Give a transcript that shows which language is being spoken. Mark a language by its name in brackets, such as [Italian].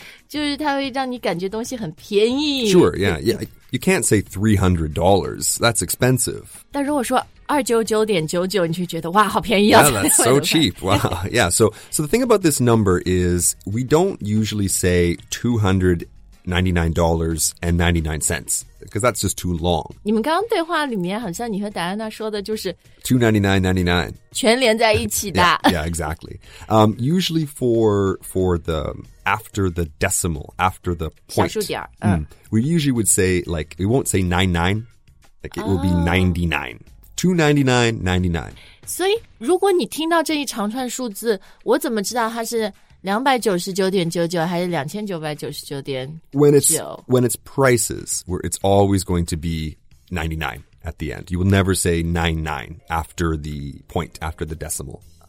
[Chinese] 就是它会让你感觉东西很便宜。 [English] Sure, yeah, yeah. You can't say $300. That's expensive. [Chinese] 但如果说299.99，你就觉得哇，好便宜啊！ [English] Yeah, that's so cheap. Wow. Yeah. So the thing about this number is we don't usually say $299.99 because that's just too long. [Chinese] 你们刚刚对话里面好像你和戴安娜说的就是 [English] $299.99， [Chinese] 全连在一起的。 [English] yeah, exactly. Usually for the after the decimal, after the point, [Chinese] 小数点 [English] we usually would say like we won't say 99, like it will be 99. $299.99. [Chinese] 所以如果你听到这一长串数字，我怎么知道它是？ 299.99还是2999.99 [English] When it's prices, where it's always going to be 99 at the end. You will never say 99 after the point, after the decimal.